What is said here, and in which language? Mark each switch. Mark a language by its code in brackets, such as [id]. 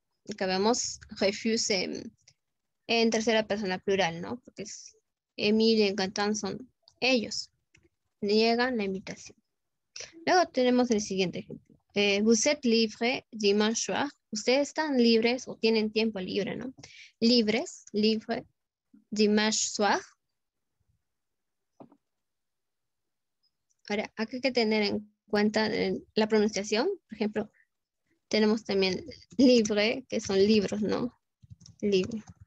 [es] Acá vemos refuse en tercera persona plural, ¿no? Porque es Emily y Quentin son ellos. Niegan la invitación. Luego tenemos el siguiente ejemplo. [fr] Vous êtes libre dimanche soir. [es] Ustedes están libres o tienen tiempo libre, ¿no? Libres, [fr] libre, dimanche soir. [es] Ahora, hay que tener en cuenta la pronunciación. Por ejemplo, tenemos también libre, que son libros, ¿no? Libre.